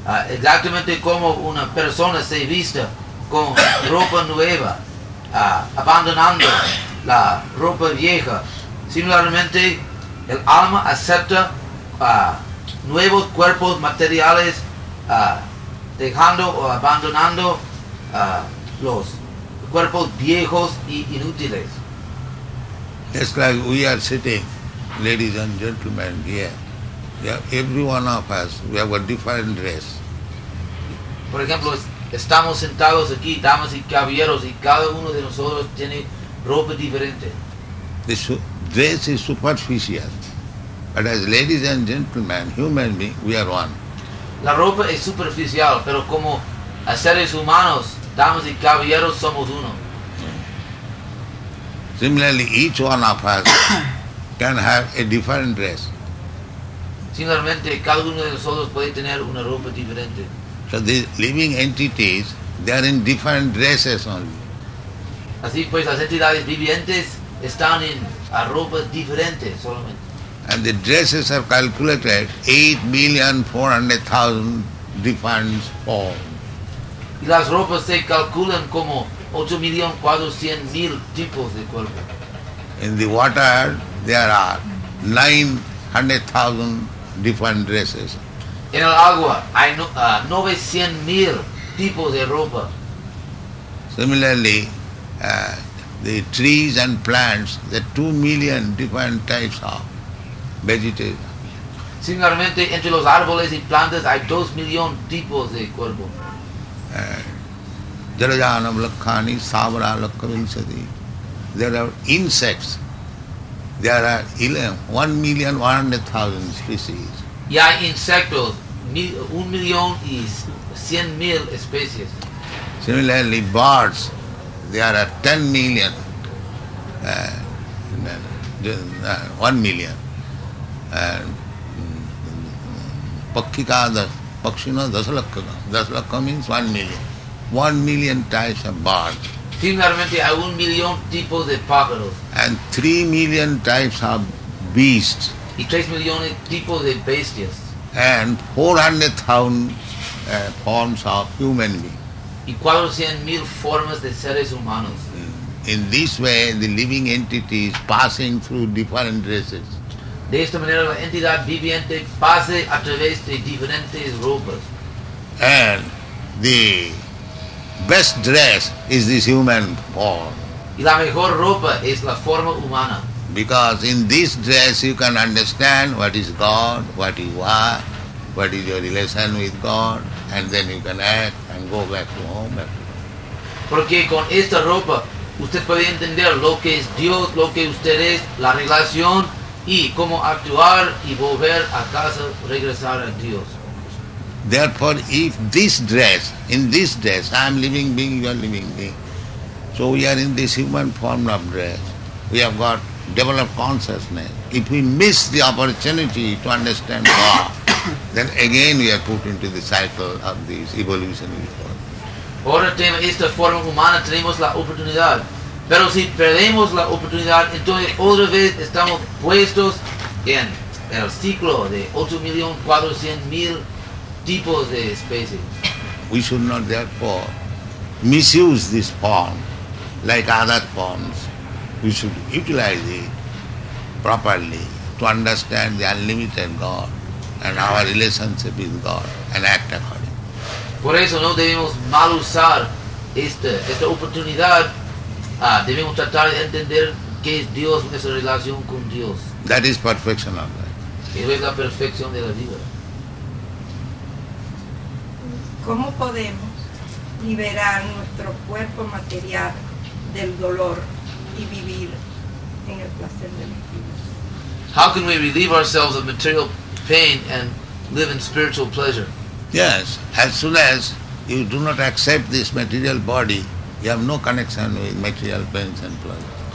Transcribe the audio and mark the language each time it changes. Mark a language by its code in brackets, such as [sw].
[es] Exactamente como una persona se vista con ropa nueva, abandonando la ropa vieja. Similarmente, el alma acepta nuevos cuerpos materiales, dejando o abandonando los cuerpos viejos y inútiles. [en] Just like we are sitting, ladies and gentlemen, here. We have, every one of us, we have a different dress. [es] Por ejemplo, estamos sentados aquí, damas y caballeros, y cada uno de nosotros tiene ropa diferente. [en] The dress is superficial. But as ladies and gentlemen, human beings, we are one. [es] La ropa es superficial, pero como seres humanos, damas y caballeros, somos uno. [en] Similarly, each one of us can have a different dress. [es] Similarmente, cada uno de nosotros puede tener una ropa diferente. [en] So these living entities, they are in different dresses only. [es] Así pues, las entidades vivientes están en ropas diferentes solamente. [en] And the dresses are calculated 8,400,000 different forms. [es] y las ropas se calculan como 8,400,000 tipos de cuerpo. [en] In the water there are 900,000 different dresses. [es] En el agua hay 900,000 tipos de ropa. [en] Similarly, the trees and plants, the 2,000,000 different types of vegetation. [es] Similarmente, entre los árboles y plantas hay 2,000,000 tipos de cuerpo. [sa] Jalajanam lakhani savara lakkavinsati. [en] There are insects. There are 1,100,000 species. [es] Y hay insectos, 1,100,000 especies. [en] Similarly, birds, there are 10,000,000. 1,000,000. Pakkika, Pakshina, Dasalakka. Dasalakka means 1,000,000. 1,000,000 types of birds. [es] Similarmente, hay 1,000,000 tipos de pájaros. [en] And 3,000,000 types of beasts. [es] Y 3,000,000 tipos de bestias. [en] And 400,000 forms of human beings. [es] Y 400,000 formas de seres humanos. [en] In this way, the living entity is passing through different races. [es] De esta manera, la entidad viviente pasa a través de diferentes ropas. [en] And the best dress is this human form. [es] Y la mejor ropa es la forma humana. [en] Because in this dress you can understand what is God, what you are, what is your relation with God, and then you can act and go back to home. [es] Porque con esta ropa usted puede entender lo que es Dios, lo que usted es, la relación y cómo actuar y volver a casa, regresar a Dios. [en] Therefore, if this dress, in this dress, I am living being, you are living being, so we are in this human form of dress, we have got developed consciousness. If we miss the opportunity to understand God, then again we are put into the cycle of this evolution. [es] Ahora tenemos esta forma humana, tenemos la oportunidad. Pero si perdemos la oportunidad, entonces otra vez estamos puestos en el ciclo de 8,400,000 tipos de especies. [en] We should not therefore misuse this form like other forms. We should utilize it properly to understand the unlimited God and our relationship with God and act accordingly. [es] Por eso no debemos mal usar esta oportunidad. Debemos tratar de entender qué es Dios, nuestra relación con Dios. [en] That is perfection of life. [es] Eso es la perfección de la vida. ¿Cómo podemos liberar nuestro cuerpo material del dolor y vivir en el placer del Espíritu? [en] How can we relieve ourselves of material pain and live in spiritual pleasure? Yes, as soon as you do not accept this material body, you have no connection with material pains and pleasures.